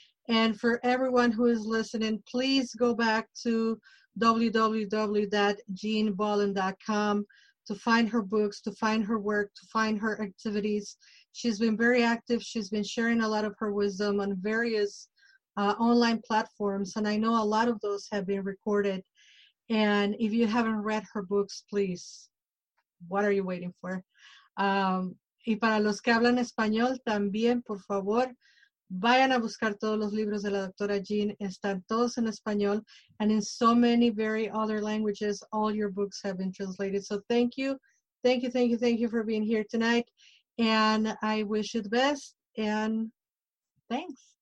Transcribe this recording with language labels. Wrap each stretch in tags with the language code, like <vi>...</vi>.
<en>And for everyone who is listening, please go back to www.jeanbolland.com to find her books, to find her work, to find her activities. She's been very active. She's been sharing a lot of her wisdom on various online platforms. And I know a lot of those have been recorded. And if you haven't read her books, please, what are you waiting for?</en> <es>Y para los que hablan español, también, por favor, vayan a buscar todos los libros de la doctora Jean. Están todos en español.</es> <en>And in so many very other languages, all your books have been translated. So thank you. Thank you, thank you, thank you for being here tonight. And I wish you the best. And thanks.</en>